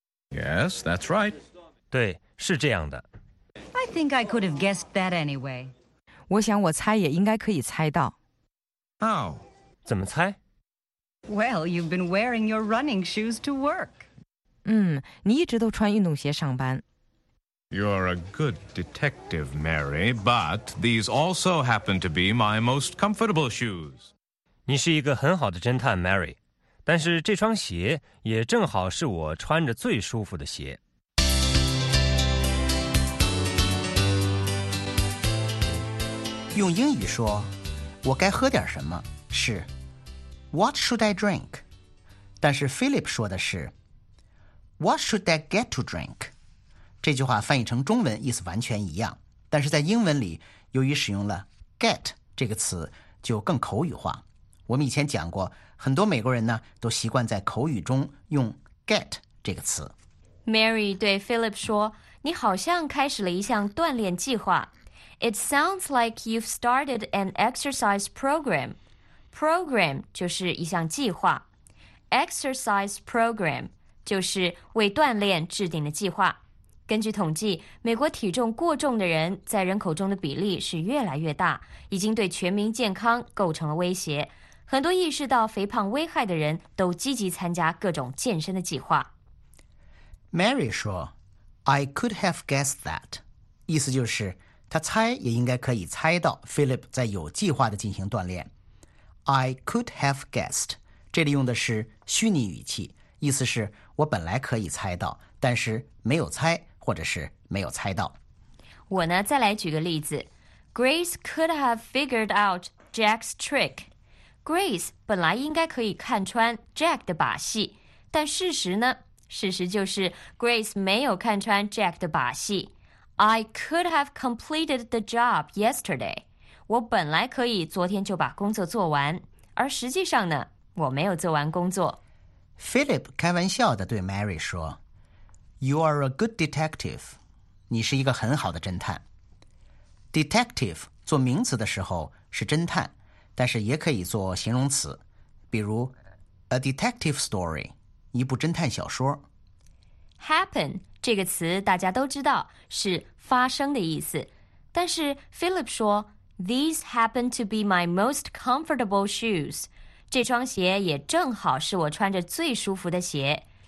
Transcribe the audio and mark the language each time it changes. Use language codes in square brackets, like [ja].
[en] Yes, that's right. [zh] 对，是这样的。 [en] I think I could have guessed that anyway. [zh] 我想我猜也应该可以猜到。 [en] How? [zh] 怎么猜？ [en] Well, you've been wearing your running shoes to work. [zh] 你一直都穿运动鞋上班。 [en] You're a good detective, Mary, but these also happen to be my most comfortable shoes. [zh] 你是一个很好的侦探 ，Mary， 但是这双鞋也正好是我穿着最舒服的鞋。用英语说，我该喝点什么？是 What should I drink? 但是 Philip 说的是 What should I get to drink? 这句话翻译成中文意思完全一样，但是在英文里由于使用了 get 这个词就更口语化。我们以前讲过，很多美国人呢都习惯在口语中用 get 这个词。 Mary 对 Philip 说，你好像开始了一项锻炼计划。 [en] It sounds like you've started an exercise program. [zh] Program 就是一项计划。Exercise program 就是为锻炼制定的计划。根据统计，美国体重过重的人在人口中的比例是越来越大，已经对全民健康构成了威胁。很多意识到肥胖危害的人都积极参加各种健身的计划。 Mary 说 I could have guessed that. 意思就是他猜也应该可以猜到 Philip 在有计划地进行锻炼。 I could have guessed，这里用的是虚拟语气，意思是我本来可以猜到，但是没有猜，或者是没有猜到。我呢，再来举个例子。 [en] Grace could have figured out Jack's trick. [zh] Grace 本来应该可以看穿 Jack 的把戏，但事实呢？事实就是 Grace 没有看穿 Jack 的把戏。 [en] I could have completed the job yesterday. [zh] 我本来可以昨天就把工作做完，而实际上呢，我没有做完工作。 Philip 开玩笑地对 Mary 说 You are a good detective. 你是一个很好的侦探。 Detective 做名词的时候是侦探，但是也可以做形容词，比如 A detective story，一部侦探小说。 Happen这个词大家都知道是发生的意思，但是 Philip 说 These happen to be my most comfortable shoes，这双鞋也正好是我穿着最舒服的鞋。